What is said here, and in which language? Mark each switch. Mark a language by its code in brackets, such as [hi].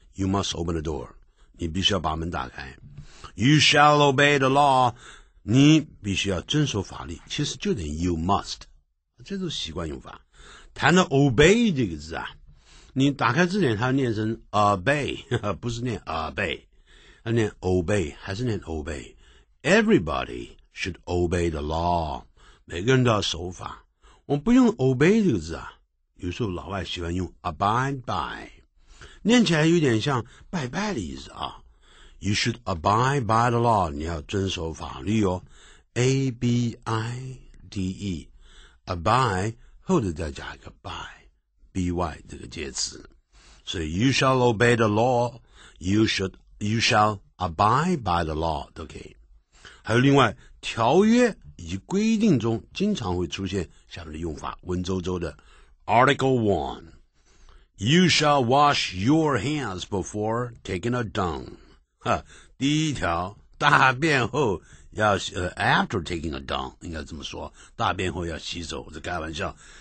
[en] You must open the door. [zh] 你必须要把门打开。 [en] You shall obey the law. [zh] 你必须要遵守法律。其实就等于 [en] you must. [zh] 这都是习惯用法。谈到 obey 这个字啊，你打开字典它念成 obey， 不是念 obey。他念 obey， 还是念 obey。 [en] Everybody should obey the law， [zh] 每个人都要守法。我们不用 obey 这个字啊，有时候老外喜欢用 abide by， 念起来有点像拜拜的意思啊。 [en] You should abide by the law， [zh] 你要遵守法律哦。 [en] A-B-I-D-E abide [zh] 后头再加一个 [en] by by [zh] 这个介词，所以 [en] you shall obey the law， You shall abide by the law， [zh] 都可以。还有另外，条约以及规定中经常会出现下面的用法，文绉绉的。 [en] Article 1， You shall wash your hands before taking a dung。 [zh] 第一条，大便后要 [en] after taking a dung， [zh] 应该这么说，大便后要洗手，这开玩笑。